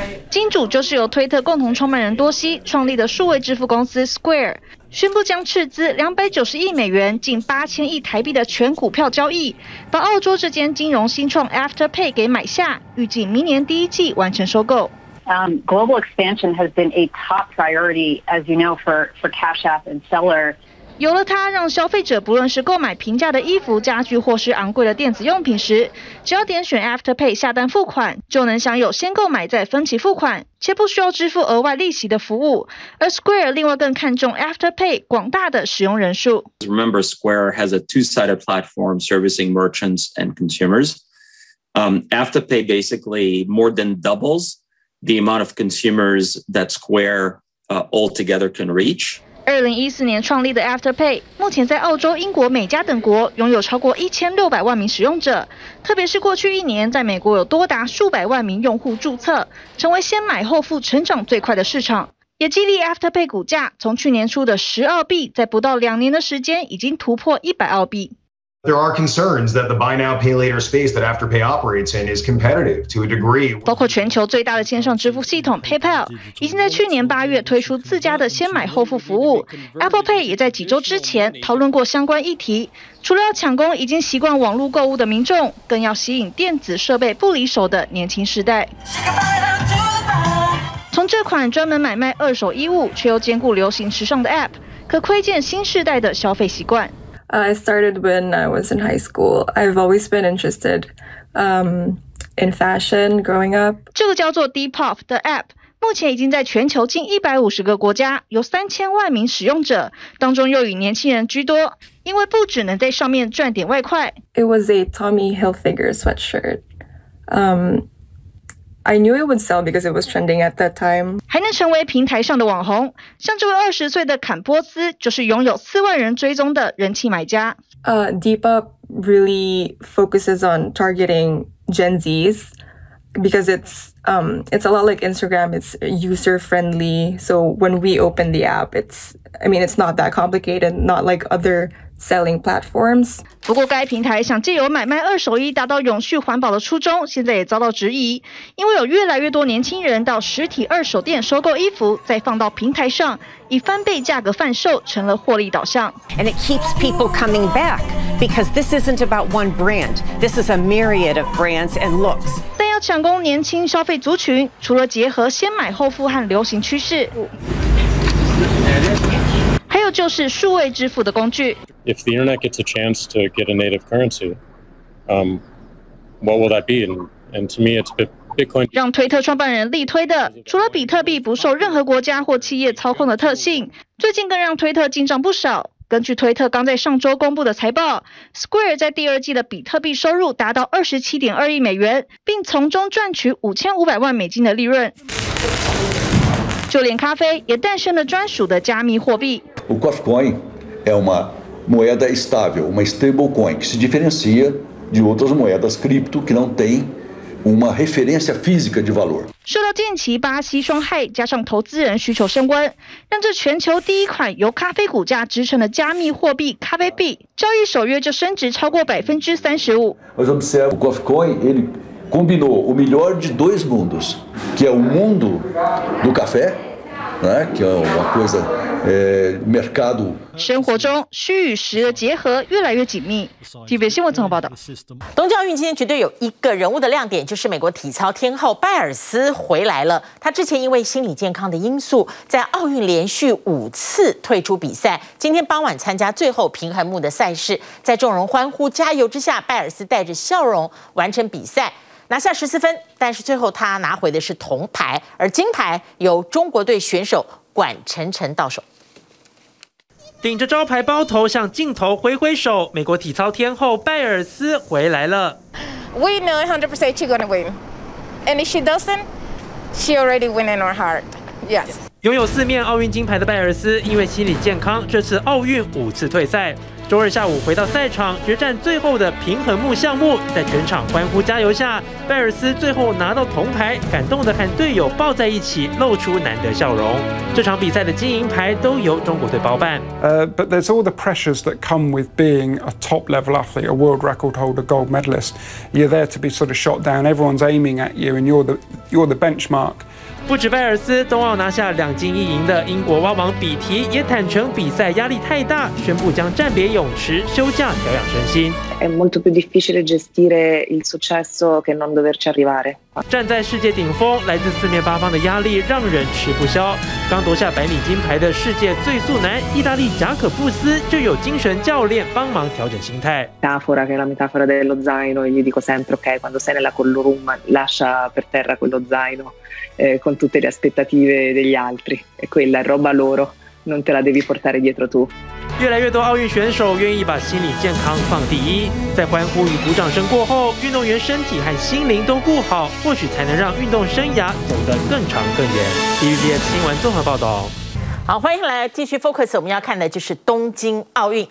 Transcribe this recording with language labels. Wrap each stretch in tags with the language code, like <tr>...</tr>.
<zh>金主就是由推特共同创办人多西创立的数位支付公司 Square， 宣布将斥资$290亿，近8000亿台币的全股票交易，把澳洲这间金融新创 Afterpay 给买下，预计明年第一季完成收购。</zh> <en>Global expansion has been a top priority, as you know, for Cash App and Seller.</en> <zh>有了它，让消费者不论是购买平价的衣服、家具，或是昂贵的电子用品时，只要点选 Afterpay 下单付款，就能享有先购买再分期付款，且不需要支付额外利息的服务。而 Square 另外更看重 Afterpay 广大的使用人数。</zh> <en>Remember, Square has a two-sided platform servicing merchants and consumers. Afterpay basically more than doubles. The amount of consumers that Square altogether can reach.</en> <zh>2014年创立的 Afterpay， 目前在澳洲、英国、美加等国拥有超过1600万名使用者。特别是过去一年，在美国有多达数百万名用户注册，成为先买后付成长最快的市场，也激励 Afterpay 股价从去年初的12币，在不到2年的时间已经突破100澳币。</zh> <en>There are concerns that the buy now pay later space that Afterpay operates in is competitive to a degree.</en> <zh>包括全球最大的线上支付系统 PayPal 已经在去年八月推出自家的先买后付服务。 Apple Pay 也在几周之前讨论过相关议题。除了要抢攻已经习惯网络购物的民众，更要吸引电子设备不离手的年轻世代。从这款专门买卖二手衣物却又兼顾流行时尚的 App， 可窥见新世代的消费习惯。</zh> <en>I started when I was in high school. I've always been interested in fashion growing up.</en> <zh>这个叫做 Depop 的 app， 目前已经在全球近150个国家，有3000万名使用者，当中又以年轻人居多，因为不只能在上面赚点外快。</zh> <en>It was a Tommy Hilfiger sweatshirt. I knew it would sell because it was trending at that time.</en> <zh>还能成为平台上的网红，像这位20岁的坎波斯，就是拥有4万人追踪的人气买家。</zh> <en>Depop really focuses on targeting Gen Zs because it's a lot like Instagram. It's user friendly. So when we open the app, it's not that complicated. Not like other. Selling platforms.</en> <zh>不过该平台想借由买卖二手衣达到永续环保的初衷，现在也遭到质疑，因为有越来越多年轻人到实体二手店收购衣服，再放到平台上，以翻倍价格贩售，成了获利导向。</zh> <en>And it keeps people coming back because this isn't about one brand. This is a myriad of brands and looks.</en> <zh>抢攻年轻消费族群，除了结合先买后付和流行趋势，还有就是数位支付的工具。</zh> <en>If the internet gets a chance to get a native currency, what will that be? And to me, it's Bitcoin.</en> <zh>让推特创办人力推的，除了比特币不受任何国家或企业操控的特性，最近更让推特进账不少。根据推特刚在上周公布的财报 ，Square 在第二季的比特币收入达到$27.2亿，并从中赚取$5500万的利润。就连咖啡也诞生了专属的加密货币。</zh> <pt>O Coffee é uma moeda estável, uma stable coin que se diferencia de outras moedas cripto que não têm uma referência física de valor。</pt> <zh>受到近期巴西霜害加上投资人需求升温，让这全球第一款由咖啡股价支撑的加密货币咖啡币交易首月就升值超过35%。</zh> <pt>Mas observe o Coffee Coin, ele combinou o melhor de dois mundos, que é o mundo do café, né, que é uma coisa mercado.</pt> <zh>生活中虚与实的结合越来越紧密。 TVBS 新闻综合报道。冬季奥运今天绝对有一个人物的亮点，就是美国体操天后拜尔斯回来了。她之前因为心理健康的因素，在奥运连续五次退出比赛，今天傍晚参加最后平衡木的赛事，在众人欢呼加油之下，拜尔斯带着笑容完成比赛，拿下十四分，但是最后他拿回的是铜牌，而金牌由中国队选手管晨晨到手。顶着招牌包头向镜头挥挥手，美国体操天后拜尔斯回来了。</zh> <en>We know 100% she's gonna win, and if she doesn't, she already win in her heart. Yes.</en> <zh>拥有四面奥运金牌的拜尔斯，因为心理健康，这次奥运五次退赛。周二下午回到赛场，决战最后的平衡木项目，在全场欢呼加油下，拜尔斯最后拿到铜牌，感动地和队友抱在一起，露出难得笑容。这场比赛的金银牌都由中国队包办。</zh> <en>But there's all the pressures that come with being a top-level athlete, a world record holder, gold medalist. You're there to be sort of shot down. Everyone's aiming at you, and you're the benchmark.</en> <zh>不止拜尔斯，冬奥拿下两金一银的英国蛙王比提也坦承比赛压力太大，宣布将暂别泳池休假调养身心。</zh> <it>È molto più difficile gestire il successo che non doverci arrivare。</it> <zh>站在世界顶峰，来自四面八方的压力让人吃不消。刚夺下百米金牌的世界最速男意大利贾可布斯就有精神教练帮忙调整心态。</zh> <it>Metafora che è la metafora dello zaino, io dico sempre ok, quando sei nella colonna lascia per terra quello zaino. Con tutte le aspettative degli altri, è quella roba loro, non te la devi portare dietro tu.</it> <zh>越来越多奥运选手愿意把心理健康放第一，在欢呼与鼓掌声过后，运动员身体和心灵都顾好，或许才能让运动生涯走得更长更远。 TVBS 新闻综合报道。好，欢迎来继续 focus， 我们要看的就是东京奥运。</zh>